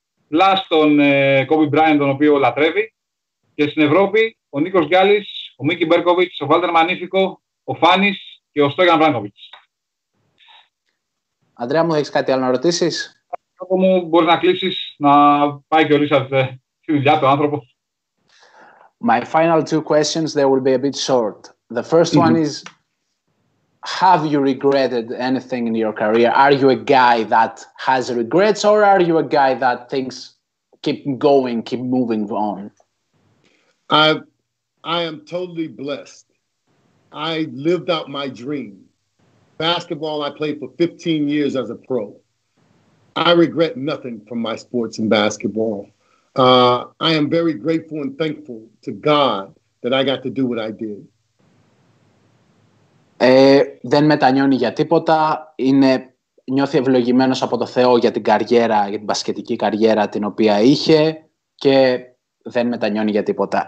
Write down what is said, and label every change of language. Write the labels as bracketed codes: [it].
[el] Πλάς τον Kobe Bryant, τον οποίο λατρεύει. Και στην Ευρώπη, ο Νίκος Γκιάλης, ο Μίκη Μπέρκοβιτς, ο Βάλτερ Μανίφικο, ο Φάνης και ο Στόγιαν Βράνκοβιτς. Αντρέα μου, έχεις κάτι άλλο να ρωτήσεις? Από μου μπορείς να κλείσεις, να πάει και ο Ρίσαρτ στη δουλειά του άνθρωπος. [en] My final two questions, they will be a bit short. The first one is, have you regretted anything in your career? Are you a guy that has regrets, or are you a guy that thinks keep moving on? I am totally blessed. I lived out my dream. Basketball, I played for 15 years as a pro. I regret nothing from my sports and basketball. I am very grateful and thankful to God that I got to do what I did. [el] Δεν μετανιώνει για τίποτα, νιώθει ευλογημένος από το Θεό για την καριέρα, για την μπασκετική καριέρα την οποία είχε, και δεν μετανιώνει για τίποτα.